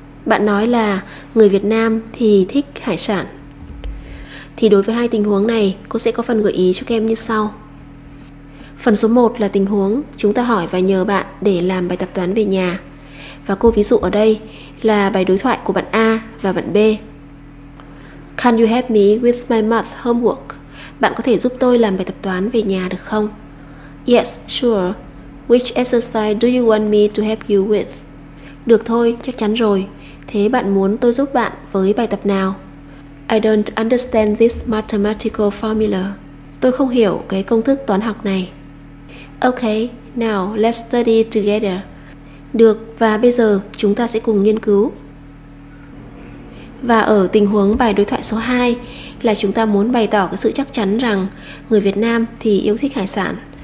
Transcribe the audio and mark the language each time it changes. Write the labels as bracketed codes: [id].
[vi] Bạn nói là người Việt Nam thì thích hải sản. Thì đối với hai tình huống này, cô sẽ có phần gợi ý cho các em như sau. Phần số 1 là tình huống chúng ta hỏi và nhờ bạn để làm bài tập toán về nhà. Và cô ví dụ ở đây là bài đối thoại của bạn A và bạn B. [en] Can you help me with my math homework? [vi] Bạn có thể giúp tôi làm bài tập toán về nhà được không? [en] Yes, sure. Which exercise do you want me to help you with? [vi] Được thôi, chắc chắn rồi. Thế bạn muốn tôi giúp bạn với bài tập nào? [en] I don't understand this mathematical formula. [vi] Tôi không hiểu cái công thức toán học này. [en] Okay, now let's study together. [vi] Được, và bây giờ chúng ta sẽ cùng nghiên cứu. Và ở tình huống bài đối thoại số 2 là chúng ta muốn bày tỏ cái sự chắc chắn rằng người Việt Nam thì yêu thích hải sản.